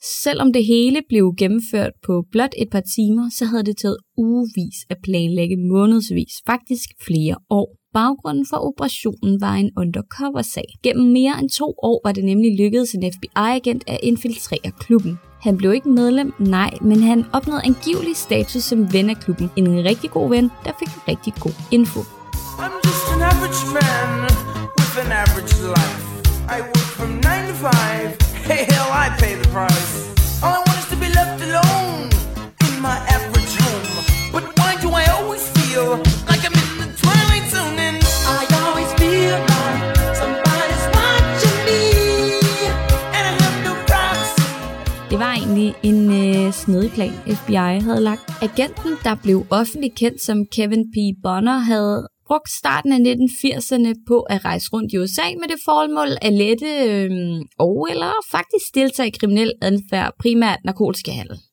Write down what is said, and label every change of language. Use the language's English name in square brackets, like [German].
[Danish] Selvom det hele blev gennemført på blot et par timer, så havde det taget ugevis at planlægge månedsvis, faktisk flere år. Baggrunden for operationen var en undercover-sag. Gennem mere end 2 år var det nemlig lykkedes en FBI-agent at infiltrere klubben. Han blev ikke medlem, nej, men han opnåede angivelig status som ven af klubben. En rigtig god ven, der fik rigtig god info. [English] I'm just an average man with an average life. I work from 9 to 5. Hell, I pay the price. All I want is to be left alone in my average home. But why do I always feel like I'm in the twilight zone? And I always feel like somebody's watching me. And I have no privacy. [Danish] Det var egentlig en snedig plan, FBI havde lagt. Agenten, der blev offentligt kendt som Kevin P. Bonner, havde brugt starten af 1980'erne på at rejse rundt i USA med det formål at lette eller faktisk deltage i kriminel adfærd, primært narkotikahandel.